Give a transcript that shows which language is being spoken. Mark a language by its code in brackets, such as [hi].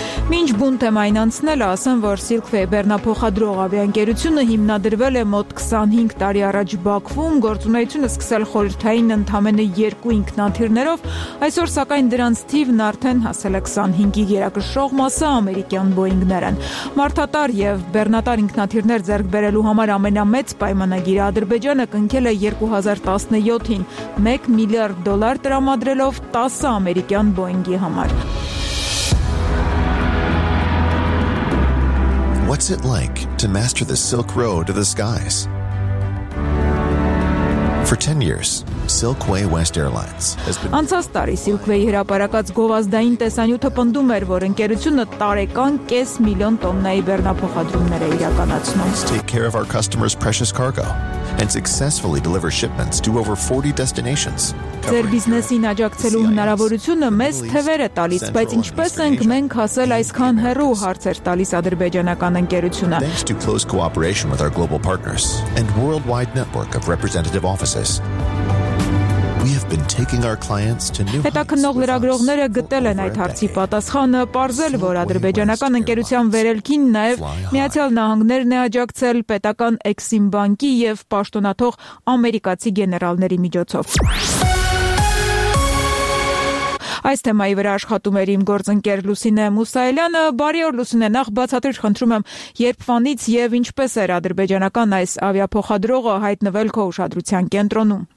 [hy] Մինչ բուն թեմային անցնելը ասեմ, որ Silk Way բեռնափոխադրող ավիաընկերությունը հիմնադրվել է մոտ 25 տարի առաջ Բաքվում, գործունեությունը սկսել խորհրդային ընդամենը 2 ինքնաթիռներով, այսօր սակայն դրանց թիվն արդեն հասել է 25-ի երակշող մասը ամերիկյան Boeing-ներն։ Մարտատար եւ բեռնատար ինքնաթիռներ ձեռք բերելու համար ամենամեծ պայմանագիրը Ադրբեջանը կնքել է 2017-ին 1 միլիարդ դոլար տրամադրելով 10 ամերիկյան Boeing-ի համար։ [en] What's it like to master the Silk Road to the skies? For 10 years, Silk Way West Airlines has been [hy] Անցած տարի Silk Way-ի հրապարակած գովազդային տեսանյութը պնդում էր, որ ընկերությունը տարեկան 5 միլիոն տոննայի բեռնափոխադրումներ է իրականացնում. [en] Take care of our customers' precious cargo and successfully deliver shipments to over 40 destinations. [hy] Ձեր բիզնեսին աջակցելու հնարավորությունը մեզ թվեր է տալիս, բայց ինչպես ենք մենք հասել այսքան հեռու, հարցեր տալիս ադրբեջանական ընկերությունը. [en] Thanks to close cooperation with our global partners and worldwide network of representative offices. We have been taking our clients to new [hy] Հետաքննող լրագրողները գտել են այդ հարցի պատասխանը, պարզել, որ ադրբեջանական ընկերության վերելքին նաև Միացյալ Նահանգներն է աջակցել պետական Exim Bank-ի եւ պաշտոնաթող ամերիկացի գեներալների միջոցով։ Այս թեմայի վրա աշխատում էր իմ գործընկեր Լուսինե Մուսայելյանը։ Բարի օր, Լուսինե, նախ բացատրիչ խնդրում եմ, երբ վանից եւ ինչպես էր ադրբեջանական այս ավիափոխադրողը հայտնվել քո ուշադրության կենտրոնում։